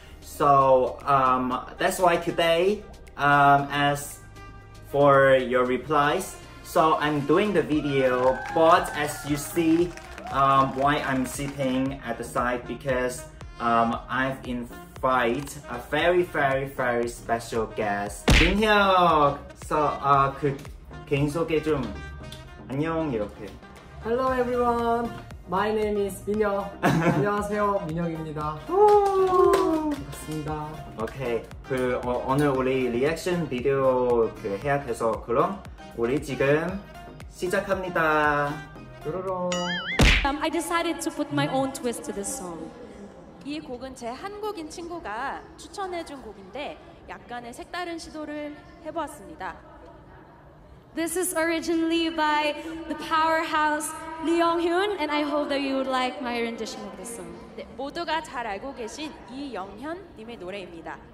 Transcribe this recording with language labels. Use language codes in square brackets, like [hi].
[en] So that's why today, as for your replies, so I'm doing the video, but as you see, why I'm sitting at the side, because I've invited a very special guest, 민혁. [ko] So 그 개인 소개 좀 안녕 이렇게. [en] Hello everyone, my name is 민혁. [ko] 안녕하세요, 민혁입니다. 반갑습니다. Okay, 그 오늘 우리 리액션 비디오 그 해야 돼서 그럼 우리 지금 시작합니다. 뾰로롱. [en] I decided to put my own twist to this song. [ko] 이 곡은 제 한국인 친구가 추천해준 곡인데 약간의 색다른 시도를 해보았습니다. [en] This is originally by the powerhouse Lee Yong-hyun, and I hope that you would like my rendition of this song. [ko] 네, 모두가 잘 알고 계신 이영현 님의 노래입니다.